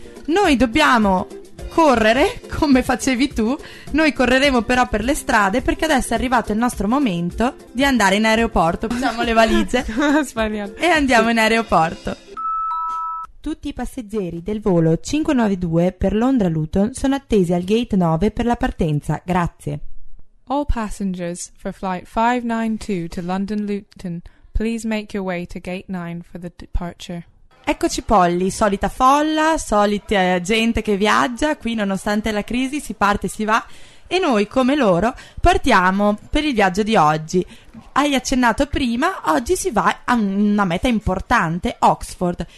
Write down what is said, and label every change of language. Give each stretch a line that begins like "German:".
Italian: Noi dobbiamo correre come facevi tu, noi correremo però per le strade perché adesso è arrivato il nostro momento di andare in aeroporto, prendiamo le valigie e andiamo in aeroporto. Tutti i passeggeri del volo 592 per Londra Luton sono attesi al gate 9 per la partenza, grazie.
English: All passengers for flight 592 to London Luton, please make your way to gate 9 for the departure.
Italian: Eccoci Polly, solita folla, solita gente che viaggia, qui nonostante la crisi si parte e si va e noi come loro partiamo per il viaggio di oggi. Hai accennato prima, oggi si va a una meta importante, Oxford.